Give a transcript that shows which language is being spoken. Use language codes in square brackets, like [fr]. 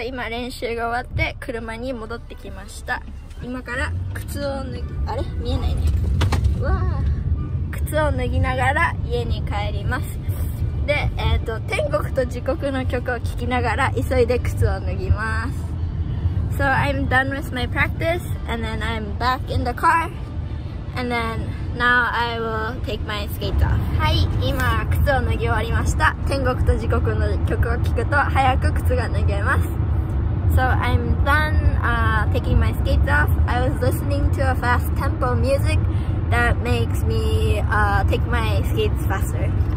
[ja] 練習が終わって車に戻ってきました。今から靴を脱ぎ、あれ見えないね、うわ、靴を脱ぎながら家に帰ります。で、天国と地獄の曲を聴きながら急いで靴を脱ぎます。 [en] So I'm done with my practice and then I'm back in the car and then now I will take my skate off。 [ja] はい、今靴を脱ぎ終わりました。天国と地獄の曲を聴くと早く靴が脱げます。 [en] So I'm done taking my skates off. I was listening to a fast tempo music that makes me take my skates faster.